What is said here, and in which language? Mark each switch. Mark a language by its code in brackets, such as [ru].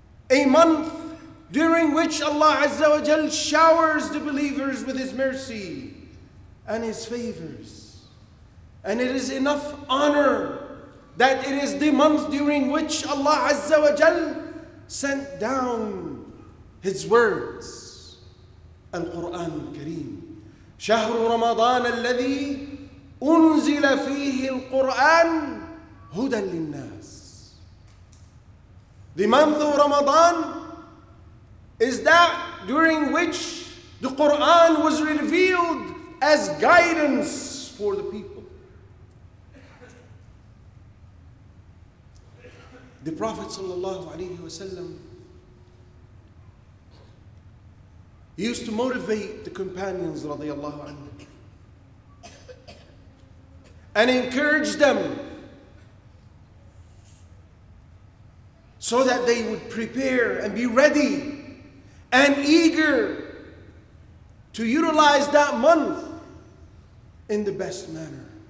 [en] A month during which Allah Azza wa Jal showers the believers with His mercy and His favors. And it is enough honor that it is the month during which Allah Azza wa Jal sent down His words, Al-Quran Kareem. [ar] شهر رمضان الذي أنزل فيه القرآن هدى للناس. [en] The month of Ramadan is that during which the Quran was revealed as guidance for the people. The Prophet sallallahu alaihi wasallam used to motivate the companions radiallahu anhu and encourage them so that they would prepare and be ready and eager to utilize that month in the best manner.